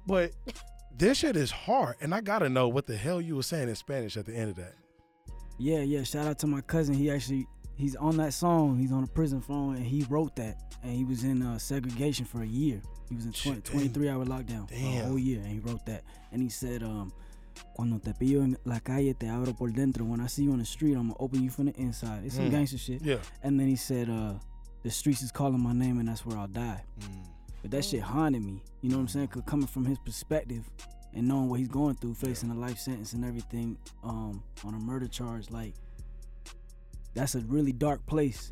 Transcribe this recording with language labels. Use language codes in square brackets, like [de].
[en] But this shit is hard. And I got to know what the hell you were saying in Spanish at the end of that. Yeah, yeah. Shout out to my cousin. He's on that song. He's on a prison phone. And he wrote that. And he was in segregation for a year. He was in 23-hour lockdown For a whole year, and he wrote that. And he said, [es] cuando te pillo en la calle, te abro por dentro. [en] When I see you on the street, I'm going to open you from the inside. It's some gangster shit. Yeah. And then he said, the streets is calling my name, and that's where I'll die. Mm. But that shit haunted me. You know what I'm saying? Because coming from his perspective and knowing what he's going through, facing a life sentence and everything on a murder charge, like, that's a really dark place.